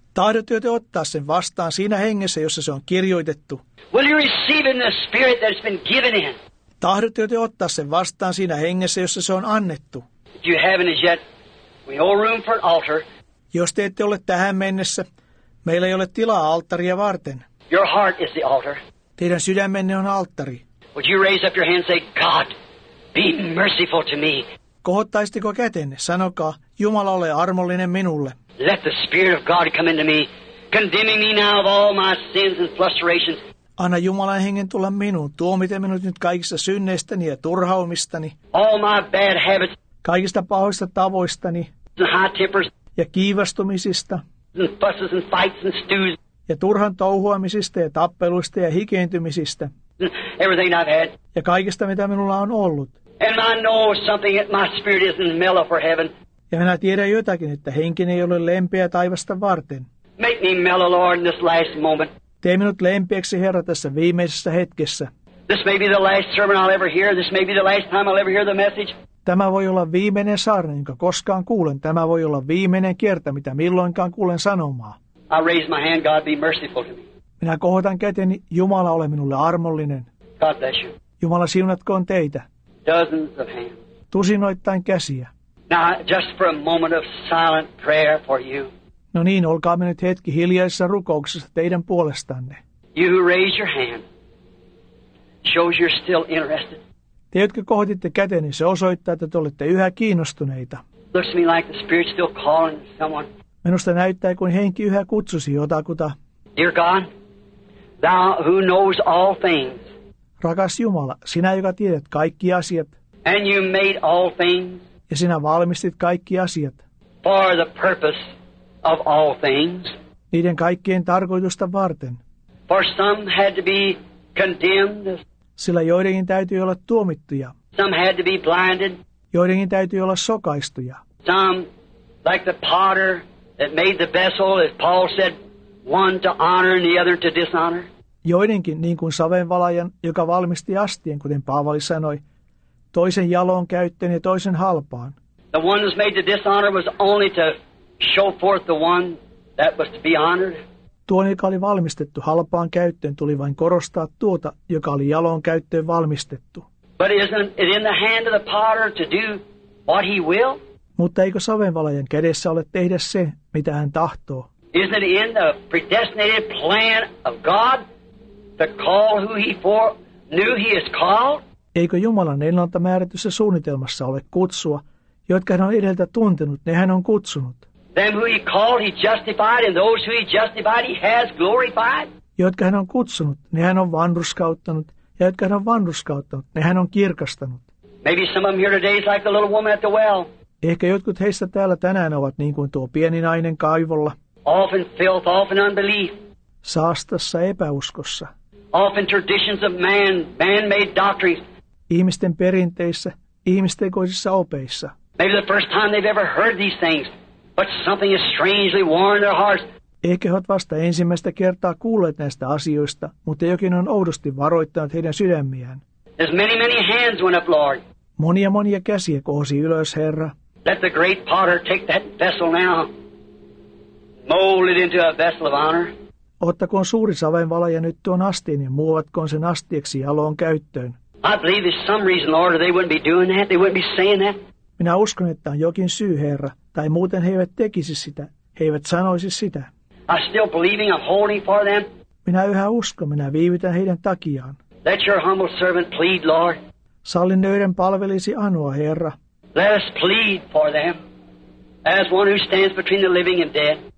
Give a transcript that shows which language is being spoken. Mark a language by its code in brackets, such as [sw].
[fi] Tahdotko te ottaa sen vastaan siinä hengessä, jossa se on kirjoitettu? [en] Will you receive it in the spirit that it's been given in? [fi] Tahdotko te ottaa sen vastaan siinä hengessä, jossa se on annettu? [en] If you haven't as yet, we hold room for an altar. [fi] Jos te ette ole tähän mennessä, meillä ei ole tilaa alttaria varten. [en] Your heart is the altar. [fi] Teidän sydämenne on alttari. [en] Would you raise up your hand and say, God, be merciful to me. [fi] Kohottaisitko kätenne? Sanokaa, Jumala ole armollinen minulle. [en] Let the Spirit of God come into me, condemning me now of all my sins and frustrations. [fi] Anna Jumalan hengen tulla minuun, tuomiten minut nyt kaikista synneistäni ja turhaumistani. [en] All my bad habits. [fi] Kaikista pahoista tavoistani. [en] And high tempers. [fi] Ja kiivastumisista. [en] And fusses and fights and stews. [fi] Ja turhan touhuamisista ja tappeluista ja hikeentymisistä. [en] Everything I've had. [fi] Ja kaikista, mitä minulla on ollut. [en] And I know something that my spirit isn't mellow for heaven. [fi] Ja minä tiedän jotakin, että henki ei ole lempeä taivasta varten. [en] Make me mellow, Lord, in this last moment. [fi] Tee minut lempeäksi, Herra, tässä viimeisessä hetkessä. [en] This may be the last sermon I'll ever hear. This may be the last time I'll ever hear the message. [fi] Tämä voi olla viimeinen saarna, jonka koskaan kuulen. Tämä voi olla viimeinen kerta, mitä milloinkaan kuulen sanomaa. [en] I raise my hand, God, be merciful to me. [fi] Minä kohotan käteni, Jumala ole minulle armollinen. [en] God bless you. [fi] Jumala siunatkoon teitä. [en] Dozens of hands. [fi] Tusinoittain käsiä. [en] Now, just for a moment of silent prayer for you. [fi] No niin, olkaamme nyt hetki hiljaisessa rukouksessa teidän puolestanne. [en] You who raise your hand shows you're still interested. [fi] Te, jotka kohotitte käteni, niin se osoittaa, että te olette yhä kiinnostuneita. [en] Looks to me like the Spirit still calling someone. [fi] Minusta näyttää, kuin henki yhä kutsusi jotakuta. [en] Dear God, thou who knows all things. [fi] Rakas Jumala, sinä, joka tiedät kaikki asiat. [en] And you made all things. [fi] Ja sinä valmistit kaikki asiat. [en] For the purpose of all things. [fi] Niiden kaikkien tarkoitusta varten. [en] For some had to be condemned. [fi] Sillä joidenkin täytyy olla tuomittuja. [en] Some had to be blinded. [fi] Joidenkin täytyy olla sokaistuja. [en] Some, like the potter that made the vessel, as Paul said, one to honor and the other to dishonor. [fi] Joidenkin, niin kuin savenvalajan, joka valmisti astien, kuten Paavali sanoi, toisen jaloon käyttäen ja toisen halpaan. [en] The one that was made to dishonor was only to show forth the one that was to be honored. [fi] Tuo, joka oli valmistettu halpaan käyttöön, tuli vain korostaa tuota, joka oli jaloon käyttöön valmistettu. [en] But isn't it in the hand of the potter to do what he will? [fi] Mutta eikö savenvalajan kädessä ole tehdä se, mitä hän tahtoo? [en] Isn't it in the predestinated plan of God to call who he foreknew he is called? [fi] Eikö Jumalan ennalta määrätyssä suunnitelmassa ole kutsua, jotka hän on edeltä tuntenut, ne hän on kutsunut. [en] Them who he called, he justified, and those who he justified, he has glorified. [fi] Jotka hän on kutsunut, ne hän on vanruskauttanut, ja jotka hän on vanruskauttanut, ne hän on kirkastanut. [en] Maybe some of them here today is like the little woman at the well. [fi] Ehkä jotkut heistä täällä tänään ovat niin kuin tuo pieni nainen kaivolla. [en] Often filth, often unbelief. [fi] Saastassa epäuskossa. [en] Often traditions of man, man-made doctrines. [fi] Ihmisten perinteissä, ihmistekoisissa opeissa. [en] Maybe the first time they've ever heard these things, but something is strangely worn their hearts. [fi] Ehkä he ovat vasta ensimmäistä kertaa kuulleet näistä asioista, mutta jokin on oudosti varoittanut heidän sydämiään. [en] As many, many hands went up, Lord. [fi] Monia, monia käsiä kohosi ylös, Herra. [en] Let the great potter take that vessel now. Mold it into a vessel of honor. [fi] Ottakoon suuri savenvalaja nyt tuon astiin ja muovatkoon sen astiaksi jaloon käyttöön. [en] I believe there's some reason, Lord, they wouldn't be doing that. They wouldn't be saying that. [fi] Minä uskon, että on jokin syy, Herra, tai muuten he eivät tekisi sitä. He eivät sanoisi sitä. [en] I'm still believing, I'm holding for them. [fi] Minä yhä uskon, minä viivytän heidän takiaan. [en] Let your humble servant plead, Lord. [fi] Salli nöyden palvelisi anoa, Herra. [en] Let us plead for them, as one who stands between the living and dead.